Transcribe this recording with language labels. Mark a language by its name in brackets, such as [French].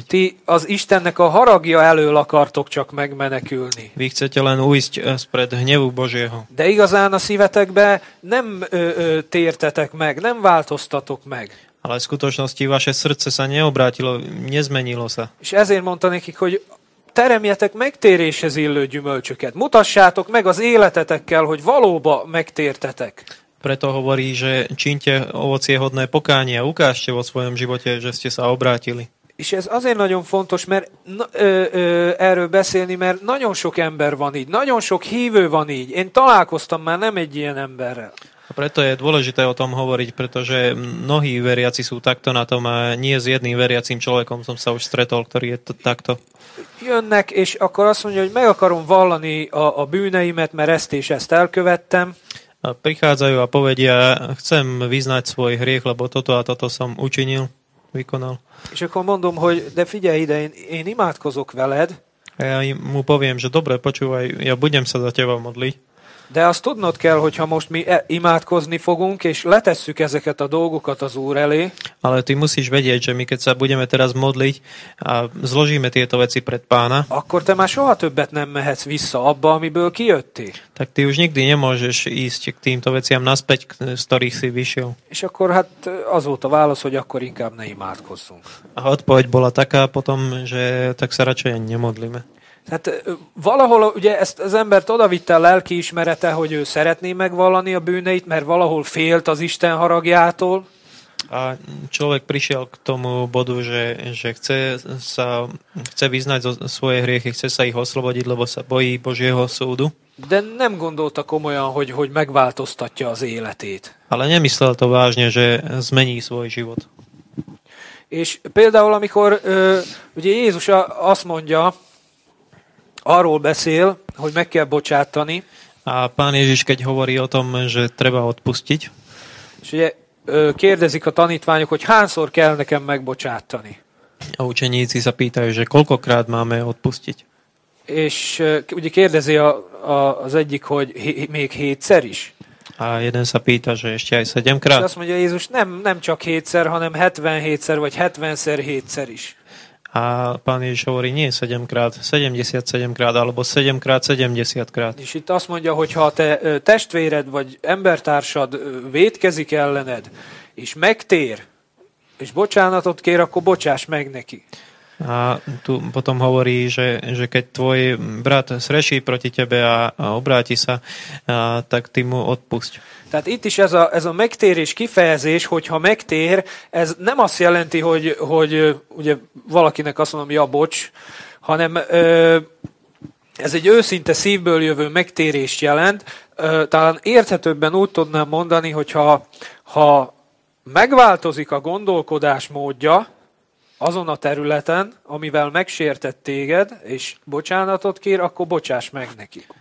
[Hungarian] Ty az Istennek a haragja elől akartok csak megmenekülni. [Slovak] Vy chcete len újsť spred hnevu Božieho. [Hungarian] De igazán a szívetekbe nem tértetek meg, nem változtatok meg. [Slovak] Ale v skutočnosti vaše srdce sa neobrátilo, nezmenilo sa. [Hungarian] És ezért mondta nekik, hogy teremjetek megtéréshez illő gyümölcsöket. Mutassátok meg az életetekkel, hogy valóba megtértetek. [Slovak] Preto hovorí, že čiňte ovocie hodné pokánie a ukážte vo svojom živote, že ste sa obrátili. [Hungarian] És ez azért nagyon fontos, mert erről beszélni, mert nagyon sok ember van így, nagyon sok hívő van így. Én találkoztam már nem egy ilyen emberrel. [Slovak] A preto je dôležité o tom hovoriť, pretože mnohí veriaci sú takto na tom a nie s jedným veriacím človekom som sa už stretol, ktorý je takto. [Hungarian] Jönnek, és akkor azt mondja, hogy meg akarom vallani a bűneimet, mert ezt és ezt elkövettem. [Slovak] A prichádzajú a povedia, chcem vyznať svoj hriech, lebo toto a toto som učinil, vykonal. [Hungarian] És akkor mondom, hogy de figyelj ide, én imádkozok veled. [Slovak] A ja mu poviem, že dobre, počúvaj, ja budem sa za teba modliť. [Hungarian] De azt tudnod kell, hogyha most mi imádkozni fogunk, és letesszük ezeket a dolgokat az Úr elé. [Slovak] Ale ty musíš vedieť, že my keď sa budeme teraz modliť a zložíme tieto veci pred Pána, [Hungarian] akkor te már soha többet nem mehetsz vissza abba, amiből kijöttél. [Slovak] Tak ty už nikdy nemôžeš ísť k týmto veciam naspäť, z ktorých si vyšiel. [Hungarian] És akkor hát az volt a válasz, hogy akkor inkább ne imádkozzunk. [Slovak] A odpoveď bola taká potom, že tak sa radšej nemodlíme. [Hungarian] Hát valahol ugye ezt az embert odavitte a lelki ismerete, hogy ő szeretné megvallani a bűneit, mert valahol félt az Isten haragjától. [Slovak] A človek prišiel k tomu bodu, že chce vyznať svoje hriechy, chce sa ich oslobodiť, lebo sa bojí Božieho súdu. [Hungarian] De nem gondolta komolyan, hogy megváltoztatja az életét. [Czech] Ale nemyslel to vážně, že změní svůj život. [Hungarian] És például amikor ugye Jézus azt mondja, arról beszél, hogy meg kell bocsátani. [Slovak] A pán Ježiš keď hovorí o tom, že treba odpustiť. [Hungarian] És ugye kérdezik a tanítványok, hogy hányszor kell nekem megbocsátani. [Slovak] A učeníci sa pýtajú, že koľkokrát máme odpustiť. [Hungarian] És ugye kérdezi az egyik, hogy még hétszer is. [Slovak] A jeden sa pýta, že ešte aj 7 krát. [Hungarian] És azt mondja Jézus, nem csak hétszer, hanem 77-szer vagy 70-szer hétszer is. [Slovak] A pán Ježiš hovorí, nie 7 krát, 77 krát, alebo 7 krát, 70 krát. [Hungarian] És itt azt mondja, hogy ha te testvéred vagy embertársad vétkezik ellened, és megtér, és bocsánatot kér, akkor bocsáss meg neki. [Slovak] A tu potom hovorí, že keď tvoj brat sreší proti tebe a obráti sa, tak ty mu odpusť. [Hungarian] Tehát itt is ez a megtérés kifejezés, hogyha megtér, ez nem azt jelenti, hogy ugye valakinek azt mondom, ja, bocs, hanem ez egy őszinte szívből jövő megtérés jelent. Talán érthetőbben úgy tudnám mondani, hogyha megváltozik a gondolkodás módja azon a területen, amivel megsértett téged, és bocsánatot kér, akkor bocsáss meg neki.